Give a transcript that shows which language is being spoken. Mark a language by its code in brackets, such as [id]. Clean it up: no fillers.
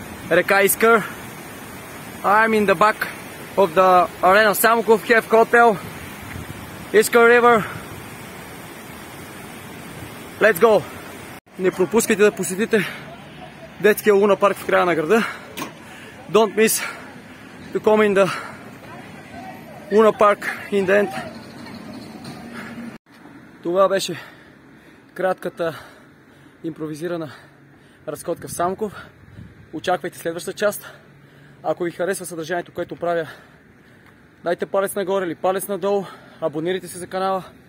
[en] Река Искър. I'm in the back of the Арена Самоков. Have hotel. Искър River. Let's go! [bg] Не пропускайте да посетите детския луна парк в края на града. [en] Don't miss to come in the Luna Park in the end. [bg] Това беше кратката импровизирана разходка в Самоков. Очаквайте следващата част. Ако ви харесва съдържанието, което правя, дайте палец нагоре или палец надолу. Абонирайте се за канала.